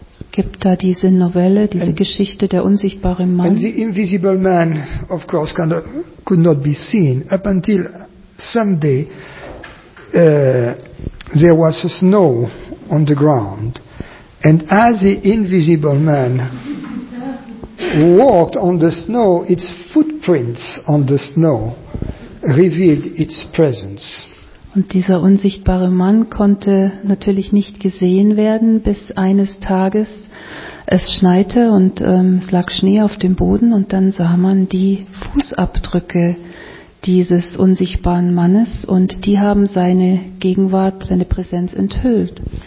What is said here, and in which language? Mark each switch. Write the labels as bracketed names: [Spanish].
[German] Gibt da diese Novelle, diese Geschichte der unsichtbare Mann? [English] And the invisible man, of course, could not be seen up until someday there was a snow on the ground, and as the invisible man walked on the snow, its footprints on the snow revealed its presence. [German] Und dieser unsichtbare Mann konnte natürlich nicht gesehen werden, bis eines Tages es schneite und es lag Schnee auf dem Boden und dann sah man die Fußabdrücke dieses unsichtbaren Mannes und die haben seine Gegenwart, seine Präsenz enthüllt.